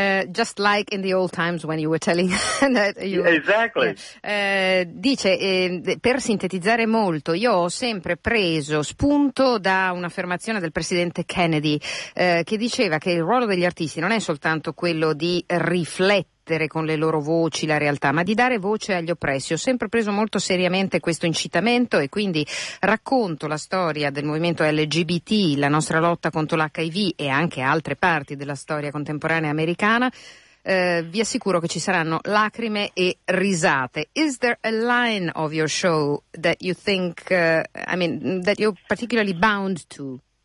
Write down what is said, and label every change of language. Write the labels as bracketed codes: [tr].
[en] Just like in the old times when you were telling that you exactly [it] dice per sintetizzare molto, io ho sempre preso spunto da un'affermazione del presidente Kennedy che diceva che il ruolo degli artisti non è soltanto quello di riflettere con le loro voci la realtà, ma di dare voce agli oppressi. Ho sempre preso molto seriamente questo incitamento e quindi racconto la storia del movimento LGBT, la nostra lotta contro l'HIV e anche altre parti della storia contemporanea americana. Vi assicuro che ci saranno lacrime e risate. [en] Is there a line of your show that you think, I mean, that you're particularly bound to?